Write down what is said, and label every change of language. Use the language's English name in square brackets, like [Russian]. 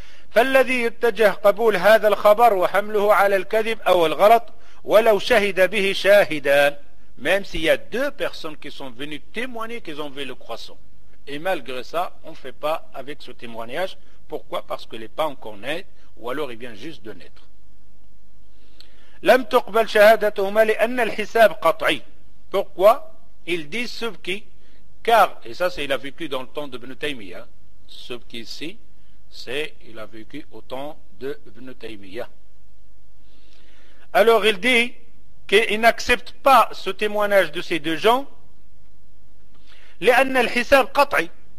[Arabic] فالذي يتجه قبول هذا الخبر وحمله على الكذب أو الغلط ولو شهد به شاهدان. [French] Même s'il y a deux personnes qui sont venues témoigner qu'ils ont vu le croissant. Et malgré ça, on ne fait pas avec ce témoignage. Pourquoi ? Parce qu'il n'est pas encore né, ou alors il vient juste de naître. [Arabic] لم تقبل شهادتهما لأن الحساب قطعي. [French] Pourquoi ? Ils disent Subki, car, et ça c'est il a vécu dans le temps de Ibn Taymiyyah. Subki ici, c'est il a vécu au temps de Ibn Taymiyyah. Alors il dit qu'il n'accepte pas ce témoignage de ces deux gens, [Arabic] لِأَنَّ الْحِسَابِ قَطْعِ.